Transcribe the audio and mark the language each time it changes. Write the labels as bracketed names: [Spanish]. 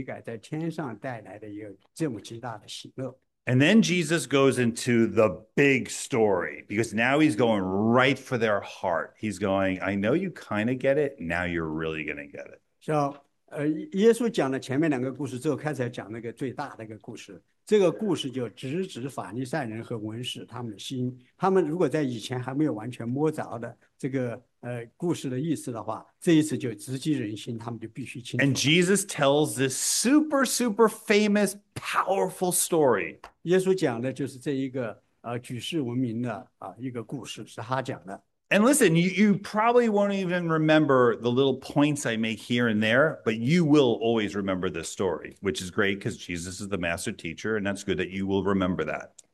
[Chinese] 同样的，耶稣就那些宗教人士，他们听见了这个动物的和钱的，银钱的故事。但是耶稣在银钱的故事之后，也加入一点点说，一个罪人悔改在天上带来的一个这么极大的喜乐。 [English] And then Jesus goes into the big story, because now he's going right for their heart. He's going, I know you kind of get it. Now you're really going to get it. [Chinese] So, 耶稣讲了前面两个故事之后，开始讲那个最大的一个故事。这个故事就直指法利赛人和文士他们的心。他们如果在以前还没有完全摸着的这个故事的意思的话，这一次就直击人心，他们就必须清楚。 [English] And Jesus tells this super, super famous, powerful story. [Chinese] 耶稣讲的就是这一个举世闻名的一个故事，是他讲的。 [English] And listen, you probably won't even remember the little points I make here and there, but you will always remember this story, which is great because Jesus is the master teacher, and that's good that you will remember that.